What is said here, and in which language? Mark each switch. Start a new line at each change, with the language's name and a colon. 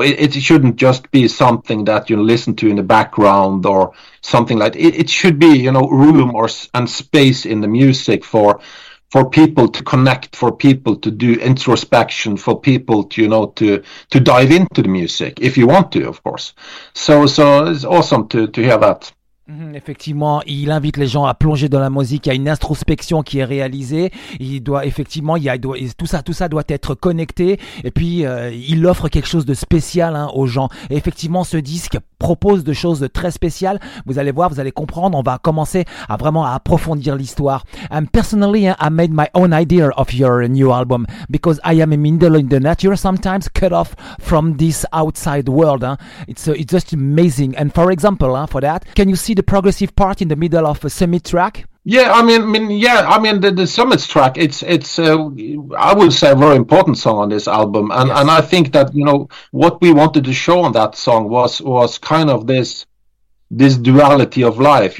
English: It shouldn't just be something that you listen to in the background or something like that. It should be, you know, room and space in the music for people to connect, for people to do introspection, for people to, you know, to dive into the music if you want to, of course. So it's awesome to hear that.
French: Effectivement, il invite les gens à plonger dans la musique. Il y a une introspection qui est réalisée. Tout ça doit être connecté. Et puis, il offre quelque chose de spécial, hein, aux gens. Et effectivement, ce disque propose de choses de très spéciales. Vous allez voir, vous allez comprendre. On va commencer à vraiment à approfondir l'histoire.
English: Personally, I made my own idea of your new album because I am a middle in the nature sometimes, cut off from this outside world. Hein. It's just amazing. And for example, hein, for that, can you see the progressive part in the middle of a semi-track? I mean, the Summits track, I would say a very important song on this album, and yes. And I think that, you know, what we wanted to show on that song was kind of this duality of life.